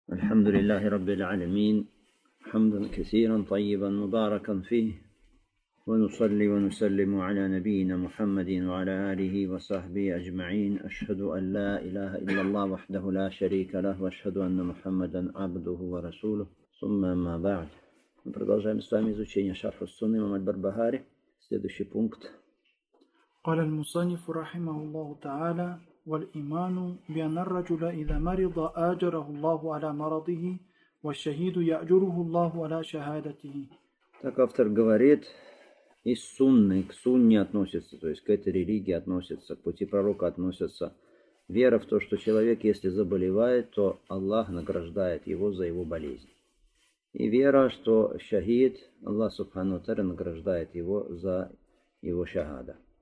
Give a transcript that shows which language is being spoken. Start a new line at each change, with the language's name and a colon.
Arabic: الحمد لله رب العالمين، حمدا كثيرا طيبا مباركا فيه، ونصلي ونسلم على نبينا محمد وعلى آله وصحبه أجمعين. أشهد أن لا إله إلا الله وحده لا شريك له، وأشهد أن محمدا عبده ورسوله. ثم ما بعد،
Russian: продолжаем с вами изучение шарха Сунны имама аль-Барбахари. Следующий пункт.
Arabic: قال المصنف رحمه الله تعالى: والإيمان بأن الرجل إذا مرض أجره الله على مرضه، والشهيد يأجره الله على شهادته.
Russian: Так автор говорит, из сунны, к сунне относится, то есть к этой религии относится, к пути пророка относится вера в то, что человек, если заболевает, то Аллах награждает его за его болезнь. И вера, что шахид, Аллах Субхану Тара награждает его за его шахада.